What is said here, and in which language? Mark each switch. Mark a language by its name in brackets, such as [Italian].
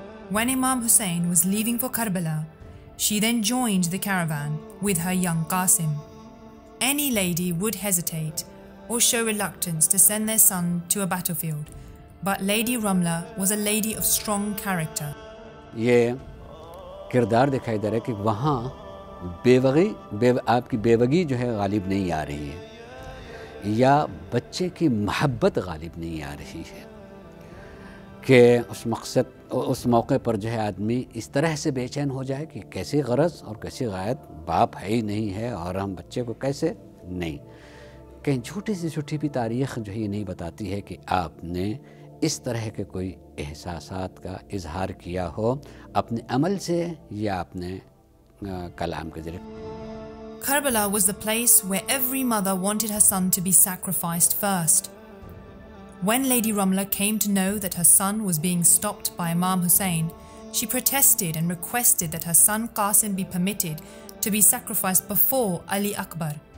[English] When Imam Hussein was leaving for Karbala, she then joined the caravan with her young Qasim. Any lady would hesitate or show reluctance to send their son to a battlefield, but Lady Ramlah was a lady of strong character. [Urdu] یہ کردار دکھائی دے رہا ہے کہ وہاں بیوگی آپ کی بیوگی جو ہے غالب نہیں آ رہی ہے, یا بچے کی محبت غالب نہیں آ رہی ہے کہ اس مقصد اس موقع پر جو ہے آدمی اس طرح سے بے چین ہو جائے کہ کیسی غرض اور کیسی غایت, باپ ہے ہی نہیں ہے اور ہم بچے کو کیسے, نہیں کہیں جھوٹی سے جھوٹی بھی تاریخ جو ہے یہ نہیں بتاتی ہے کہ آپ نے اس طرح کے کوئی احساسات کا اظہار کیا ہو اپنے عمل سے یا اپنے کلام کے ذریعے. [English] Karbala was the place where every mother wanted her son to be sacrificed first. When Lady Ramlah came to know that her son was being stopped by Imam Hussein, she protested and requested that her son Qasim be permitted to be sacrificed before Ali Akbar.